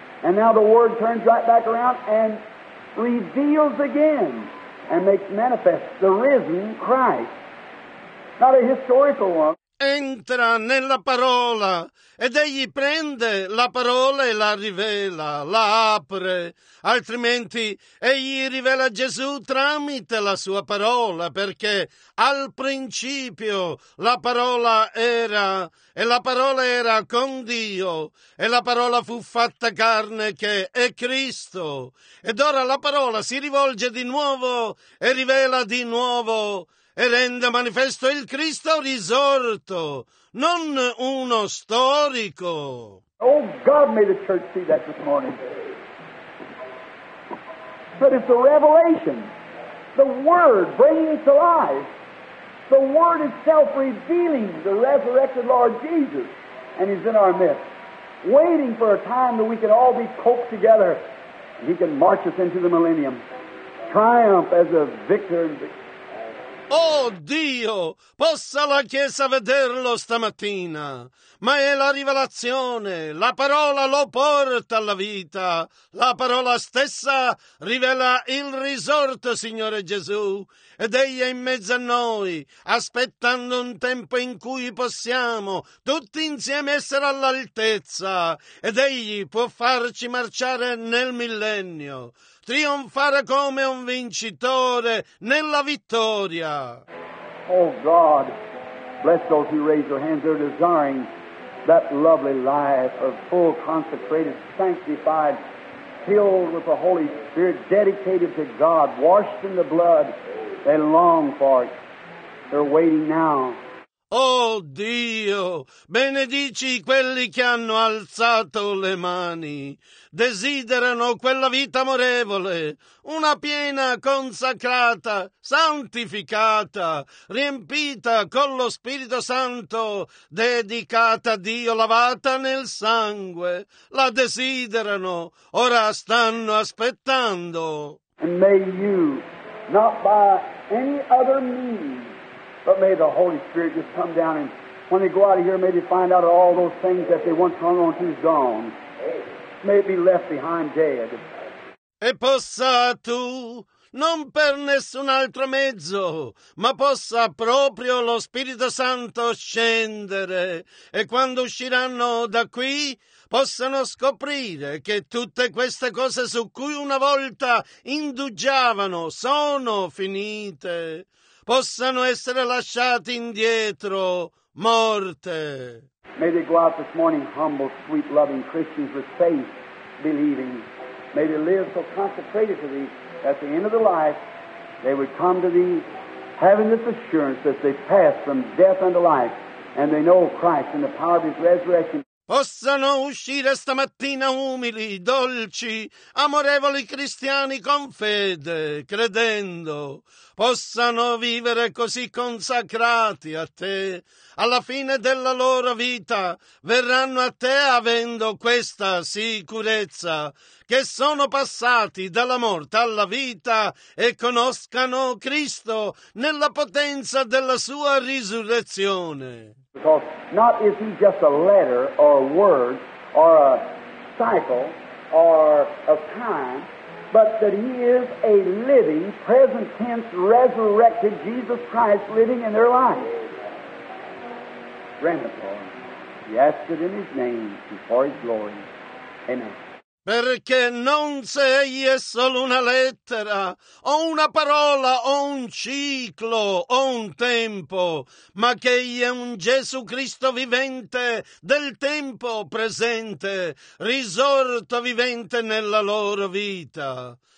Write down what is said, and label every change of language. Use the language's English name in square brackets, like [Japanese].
[English] And now the Word turns right back around and reveals again and makes manifest the risen Christ. Not a historical one. [Italian] Entra nella parola ed egli prende la parola e la rivela, la apre. Altrimenti egli rivela Gesù tramite la sua parola, perché al principio la parola era, e la parola era con Dio, e la parola fu fatta carne, che è Cristo. Ed ora la parola si rivolge di nuovo e rivela di nuovo e rende manifesto il Cristo risorto, non uno storico. [English] Oh God, may the church see that this morning. But it's a revelation. The Word brings to life. The Word itself revealing the resurrected Lord Jesus. And he's in our midst, waiting for a time that we can all be coaxed together. And he can march us into the millennium. Triumph as a victor and victor. [Italian] Oh Dio, possa la Chiesa vederlo stamattina, ma è la rivelazione, la parola lo porta alla vita, la parola stessa rivela il risorto, Signore Gesù, ed egli è in mezzo a noi, aspettando un tempo in cui possiamo tutti insieme essere all'altezza, ed egli può farci marciare nel millennio. Trionfare come un vincitore nella vittoria. [English] Oh God, bless those who raise their hands. They're desiring that lovely life of full, consecrated, sanctified, filled with the Holy Spirit, dedicated to God, washed in the blood. They long for it. They're waiting now. [Italian] Oh Dio, benedici quelli che hanno alzato le mani. Desiderano quella vita amorevole, una piena, consacrata, santificata, riempita con lo Spirito Santo, dedicata a Dio, lavata nel sangue. La desiderano, ora stanno aspettando. [English] And may you, not by any other means, but may the Holy Spirit just come down, and when they go out of here, may they find out all those things that they once hung on to is gone. May it be left behind dead. [Italian] E possa tu, non per nessun altro mezzo, ma possa proprio lo Spirito Santo scendere, e quando usciranno da qui possano scoprire che tutte queste cose su cui una volta indugiavano sono finite. Possano essere lasciati indietro, morte. [English] May they go out this morning humble, sweet, loving Christians with faith, believing. May they live so consecrated to Thee that at the end of their life they would come to Thee having this assurance that they pass from death unto life and they know Christ and the power of His resurrection. [Italian] Possano uscire stamattina umili, dolci, amorevoli cristiani con fede, credendo. Possano vivere così consacrati a Te. Alla fine della loro vita verranno a Te avendo questa sicurezza, che sono passati dalla morte alla vita e conoscano Cristo nella potenza della Sua risurrezione. [English] Because not is he just a letter or a word or a cycle or a time, but that he is a living, present tense, resurrected Jesus Christ living in their life. Grant it, Lord. He asks it in his name and for his glory. Amen. [Italian] Perché non se egli è solo una lettera, o una parola, o un ciclo, o un tempo, ma che egli è un Gesù Cristo vivente del tempo presente, risorto vivente nella loro vita.